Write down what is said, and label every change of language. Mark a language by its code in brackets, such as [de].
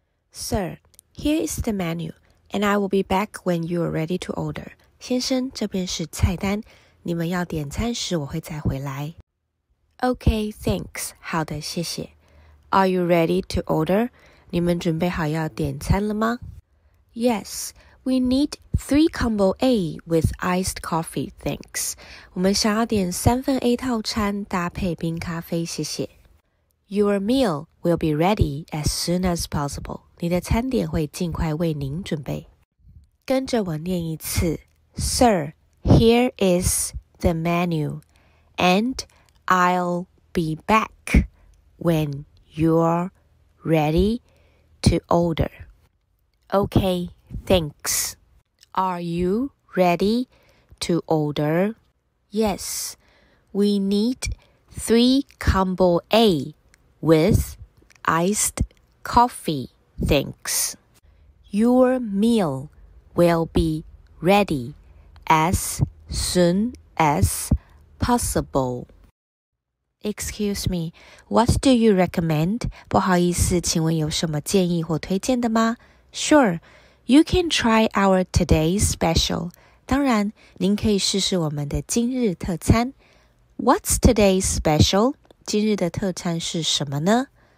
[en] Sir, here is the menu, and I will be back when you are ready to order. [zh] 先生，这边是菜单，你们要点餐时我会再回来。 [en] Okay, thanks. [zh] 好的，谢谢。 [en] Are you ready to order? [zh] 你们准备好要点餐了吗？ [en] Yes, we need 3 combo A with iced coffee, thanks. [zh] 我们想要点三份 A 套餐搭配冰咖啡，谢谢。 [en] Your meal will be ready as soon as possible. [zh] 你的餐点会尽快为您准备。跟着我念一次。 [en] Sir, here is the menu, and I'll be back when you're ready to order. Okay, thanks. Are you ready to order? Yes, we need 3 combo A with iced coffee, thanks. Your meal will be ready as soon as possible. Excuse me, what do you recommend? [zh] 不好意思，请问有什么建议或推荐的吗？ [en] Sure, you can try our today's special. [zh] 当然，您可以试试我们的今日特餐。 [en] What's today's special? [zh] 今日的特餐是什么呢？